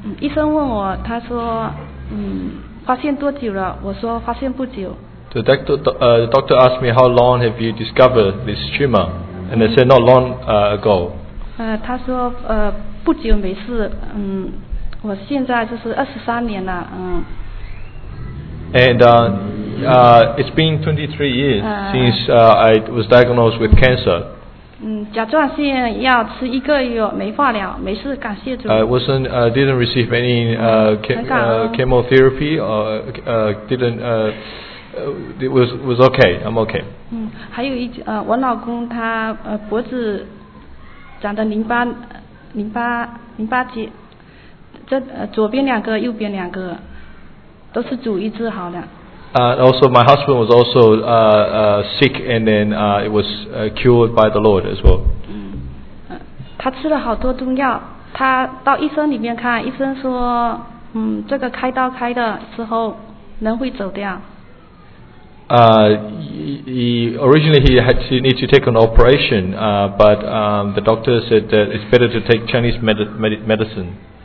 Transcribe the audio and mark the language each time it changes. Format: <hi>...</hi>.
<zh>医生问我，他说，发现多久了？我说发现不久。</zh> <en>The doctor, the doctor asked me how long have you discovered this tumor, and they said not long ago.</en> <zh>他说不久没事，我现在就是23年了，</zh> <en>And it's been 23 years since I was diagnosed with cancer.</en> <zh>甲状腺要吃一个月，没化疗，没事，感谢主。</zh> <en>Didn't receive any chemotherapy or it was okay. I'm okay.</en> <zh>还有我老公他脖子长的淋巴结，这左边两个，右边两个。都是主医治好的。</zh> <en>Also, my husband was also sick, and then it was cured by the Lord as well.</en> <zh>他吃了好多中药。他到医生里面看，医生说，这个开刀开的之后，人会走掉。</zh> <en>Originally he had to need to take an operation, but the doctor said that it's better to take Chinese medicine.</en>